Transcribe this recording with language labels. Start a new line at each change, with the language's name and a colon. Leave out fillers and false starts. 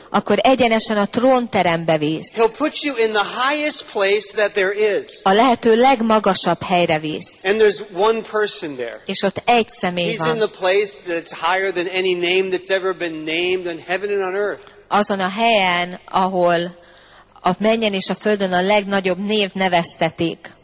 Hungarian: Akkor egyenesen a trónterembe visz.
English: He'll put you in the highest place that there is.
Hungarian: A lehető legmagasabb helyre visz.
English: And there's one person there.
Hungarian: És ott egy személy
English: He's
Hungarian: van.
English: He's in the place that's higher than any name that's ever been named in heaven and on earth.
Hungarian: Azon a helyen, ahol a mennyen és a földön a legnagyobb név neveztetik.